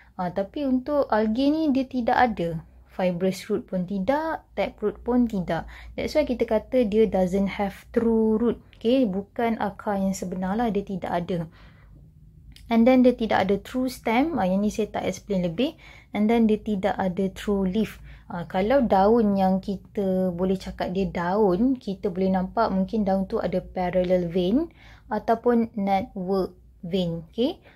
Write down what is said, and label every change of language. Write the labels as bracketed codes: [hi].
[ms] Tapi untuk algae ni, dia tidak ada. Fibrous root pun tidak, taproot pun tidak. [en] That's why [ms] kita kata dia [en] doesn't have true root. [ms] Okay? Bukan akar yang sebenar lah, dia tidak ada. And then dia tidak ada true stem, yang ni saya tak explain lebih. And then dia tidak ada true leaf. Kalau daun yang kita boleh cakap dia daun, kita boleh nampak mungkin daun tu ada parallel vein ataupun network vein. Okay?